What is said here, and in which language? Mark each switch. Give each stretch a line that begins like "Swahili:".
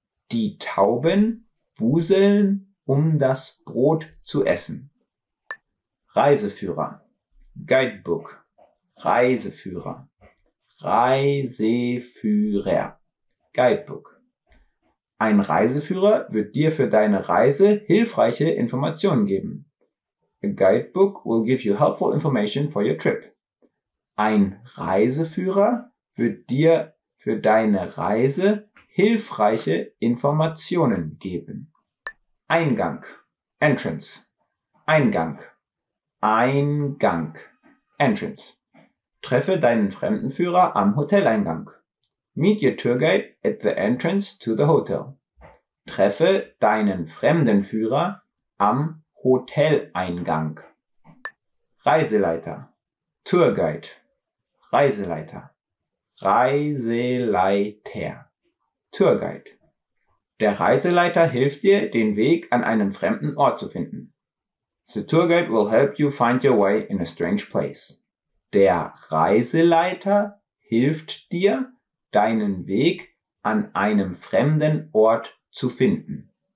German: Die Tauben wuseln, um das Brot zu essen. Reiseführer. Guidebook. Reiseführer. Reiseführer. Guidebook. Ein Reiseführer wird dir für deine Reise hilfreiche Informationen geben.
English: A guidebook will give you helpful information for your trip.
German: Ein Reiseführer wird dir für deine Reise hilfreiche Informationen geben. Eingang, Entrance, Eingang, Eingang, Entrance. Treffe deinen Fremdenführer am Hoteleingang.
English: Meet your tour guide at the entrance to the hotel.
German: Treffe deinen Fremdenführer am Hoteleingang. Reiseleiter, Tour guide, Reiseleiter. Reiseleiter, Tourguide. Der Reiseleiter hilft dir, den Weg an einem fremden Ort zu finden.
English: The Tourguide will help you find your way in a strange place.
German: Der Reiseleiter hilft dir, deinen Weg an einem fremden Ort zu finden.